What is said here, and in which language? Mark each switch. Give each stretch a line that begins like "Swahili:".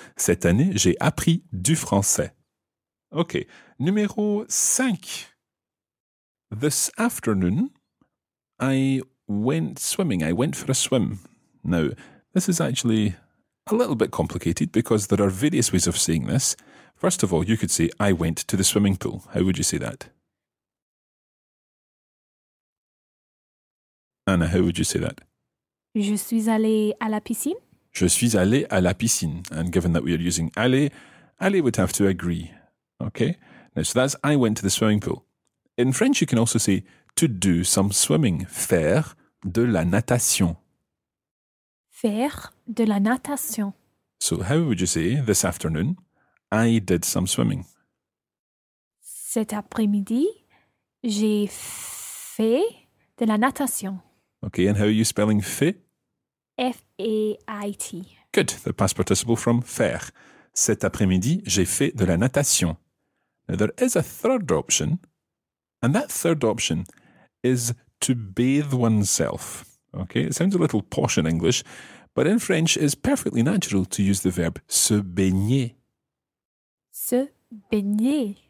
French: Cette année, j'ai appris du français. Okay, numéro 5.
English: This afternoon, I went swimming. I went for a swim. Now, this is actually a little bit complicated because there are various ways of saying this. First of all, you could say, I went to the swimming pool. How would you say that? Anna, how would you say that?
French: Je suis allée à la piscine. Je suis allée à la piscine.
English: And given that we are using aller, aller would have to agree. Okay? Now, so that's I went to the swimming pool. In French, you can also say to do some swimming.
French: Faire de la natation. Faire de la natation.
English: So how would you say this afternoon? I did some swimming.
French: Cet après-midi, j'ai fait de la natation.
English: Okay, and how are you spelling fait? F-A-I-T. Good, the past participle from faire.
French: Cet après-midi, j'ai fait de la natation.
English: Now, there is a third option, and that third option is to bathe oneself. Okay, it sounds a little posh in English, but in French, it's perfectly natural to use the verb se baigner.
French: Se baigner.